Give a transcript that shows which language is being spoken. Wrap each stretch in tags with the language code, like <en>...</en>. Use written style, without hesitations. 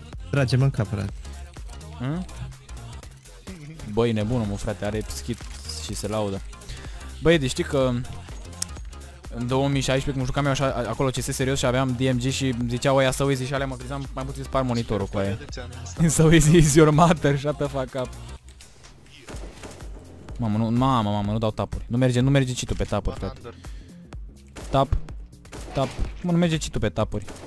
<ro>Trage-mă în cap, frate. Băi, nebun omul, frate, are skit și se laudă. Băi, deci știi că în 2016, când jucam eu așa, acolo CS serios și aveam DMG și ziceau aia</ro> <en>so easy</en> <ro>și alea, mă crezeam mai puțin spar monitorul cu aia.</ro> <en>So easy is your mother, shut the fuck up.</en> <ro>Mamă, nu dau tapuri. Nu merge cheat-ul pe tapuri, frate. Tap. Mă, nu merge cheat-ul pe tapuri.</ro>